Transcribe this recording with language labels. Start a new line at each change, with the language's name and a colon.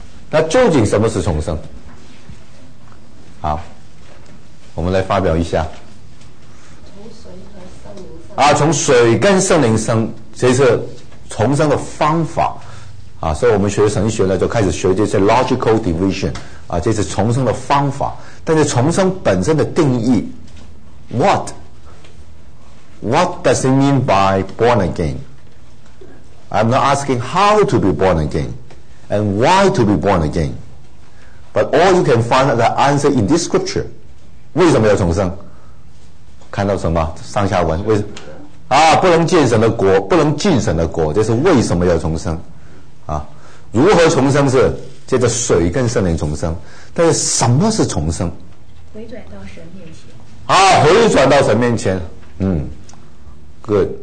Chinese: 那究竟什么是重生？好，我们来发表一下。啊，从水跟圣灵生，这是重生的方法啊。所以我们学神学呢，就开始学这些 logical division 啊，这是重生的方法。但是重生本身的定义
English: what does it mean by born again? I'm not asking how to be born again and why to be born again, but all you can find the answer in this scripture.
Chinese: 为什么要重生？看到什么上下文？为什么啊，不能见神的国，不能进神的国，这是为什么要重生啊？如何重生是借着水跟圣灵重生，但是什么是重生？回转到神面前。啊，回转到神面前，good。